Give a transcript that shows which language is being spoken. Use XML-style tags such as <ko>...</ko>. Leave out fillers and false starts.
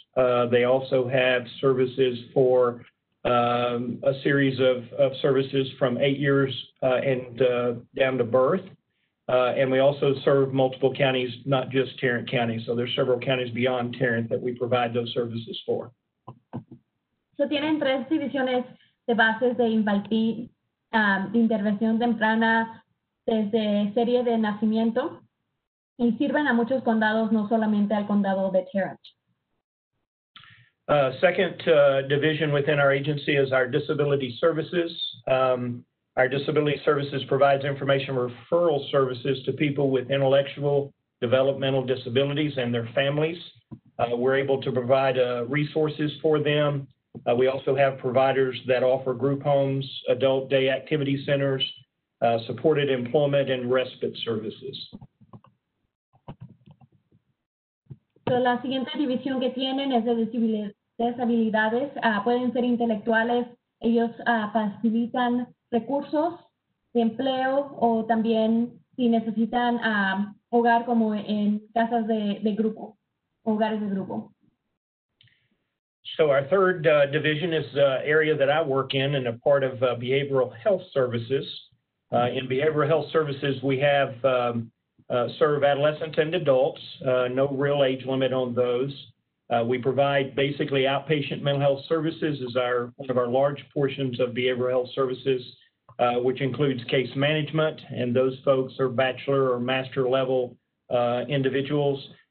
<en>They also have services for a series of services from 8 years down to birth. And we also serve multiple counties, not just Tarrant County. So there's several counties beyond Tarrant that we provide those services for.</en> <es>So tienen tres divisiones de bases de infantil, de intervención temprana, desde serie de nacimiento, y sirven a muchos condados, no solamente al condado de Terrance.</es> <en>Second division within our agency is our disability services. Our disability services provides information referral services to people with intellectual developmental disabilities and their families. We're able to provide resources for them. We also have providers that offer group homes, adult day activity centers, supported employment, and respite services.</en> <es>So la siguiente división que tienen es de discapacidades. Pueden ser intelectuales. Ellos facilitan recursos de empleo o también si necesitan hogar como en casas de grupo, hogares de grupo.</es> <en>So our third division is the area that I work in and a part of behavioral health services. In behavioral health services, we have serve adolescents and adults, no real age limit on those. We provide basically outpatient mental health services as our one of our large portions of behavioral health services, which includes case management, and those folks are bachelor or master level individuals.</en>